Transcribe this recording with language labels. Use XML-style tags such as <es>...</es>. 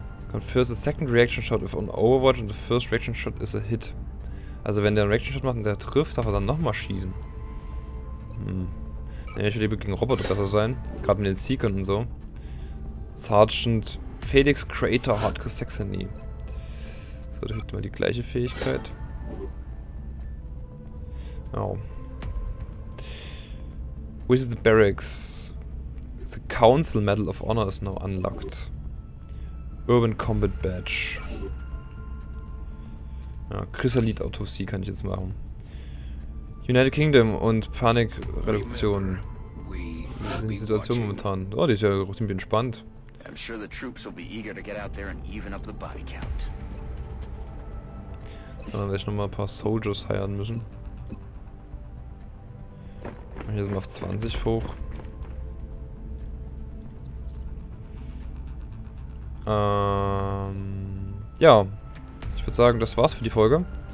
<en>Confers a second reaction shot with an Overwatch and the first reaction shot is a hit.</en> <de>Also wenn der einen Reaction Shot macht und der trifft, darf er dann nochmal schießen. Ja, ich will lieber gegen Roboter besser sein. Gerade mit den Seekern und so. Sergeant Felix Crater Hardcore Saxony. So, da hätten wir die gleiche Fähigkeit. Oh.</de> <en>Wizard Barracks. The Council Medal of Honor is now unlocked. Urban Combat Badge.</en> <de>Ja, Chrysalid Autopsie kann ich jetzt machen. United Kingdom und Panikreduktion. Wie ist die Situation momentan? Oh, die ist ja ziemlich entspannt.</de> <en>I'm sure the troops will be eager to get out there and even up the body count.</en> <de>Dann werde ich nochmal ein paar Soldiers heiraten müssen. Hier sind wir auf 20 hoch. Ja, ich würde sagen, das war's für die Folge.</de>